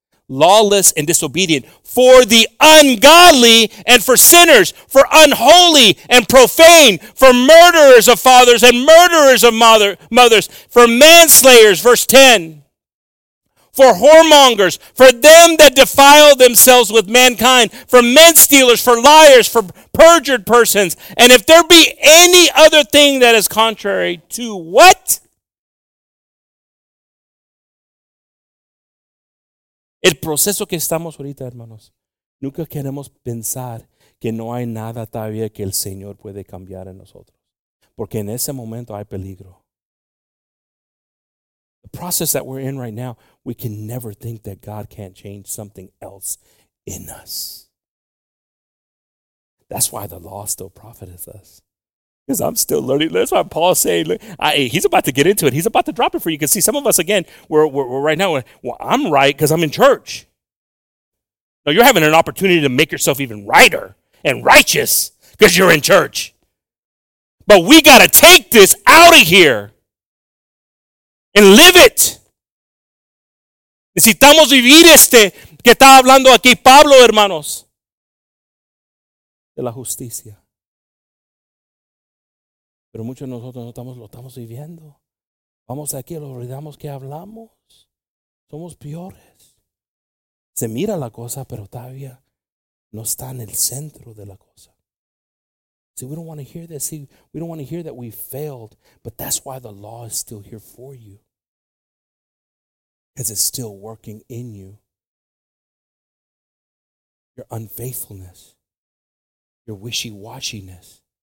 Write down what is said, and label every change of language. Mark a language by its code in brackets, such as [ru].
[en] Lawless and disobedient, for the ungodly and for sinners, for unholy and profane, for murderers of fathers and murderers of mothers, for manslayers, verse 10, for whoremongers, for them that defile themselves with mankind, for men stealers, for liars, for perjured persons, and if there be any other thing that is contrary to what? [es] El proceso que estamos ahorita, hermanos, nunca queremos pensar que no hay nada todavía que el Señor puede cambiar en nosotros. Porque en ese momento hay peligro. [en] The process that we're in right now, we can never think that God can't change something else in us. That's why the law still profiteth us. Because I'm still learning. That's why Paul's saying, he's about to get into it. He's about to drop it for you. Because see, some of us, again, we're right now, I'm right because I'm in church. No, you're having an opportunity to make yourself even righter and righteous because you're in church. But we got to take this out of here and live it. [es] Necesitamos vivir este que está hablando aquí Pablo, hermanos. De la justicia. Pero muchos de nosotros lo estamos viviendo. Vamos aquí, lo olvidamos que hablamos. Somos peores. Se mira la cosa, pero todavía no está en el centro de la cosa. [en] See, we don't want to hear this. See, we don't want to hear that we failed. But that's why the law is still here for you. Because it's still working in you. Your unfaithfulness. Your wishy-washiness.